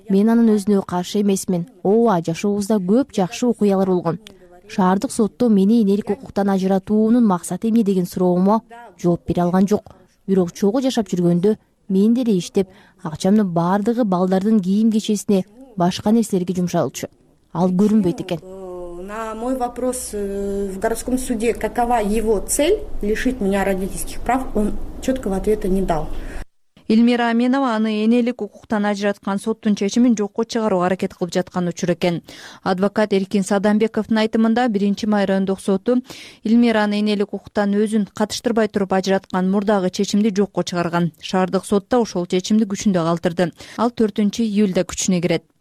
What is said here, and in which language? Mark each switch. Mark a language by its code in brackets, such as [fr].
[ky] Мен анын өзүнө каршы эмесмин. Ооба, жашообузда көп жакшы окуялар болгон. Шаардык сотто мени энелик укуктан ажыратуунун максаты эмне деген суроомо жооп бере алган жок. Бирок чогуу жашап жүргөндө мен деле иштеп, акчамдын бардыгы балдардын кийим кечесине, башка нерселерге жумшалчу. Ал көрүнбөйт экен. [ru] На мой вопрос в городском суде, какова его цель лишить меня родительских прав, он четкого ответа не дал. [ky] Илмира Аменова аны энелик укуктан ажыраткан соттун чечимин жокко чыгаруу аракет кылып жаткан учур экен. Адвокат Эркин Садамбековдун айтымында 1-май райондук соту Илмираны энелик укуктан өзүн катыштырбай туруп ажыраткан мурдагы чечимди жокко чыгарган. Шаардык сотто ошол чечимди күчүндө калтырды. Ал 4-июлда күчүнө кирет.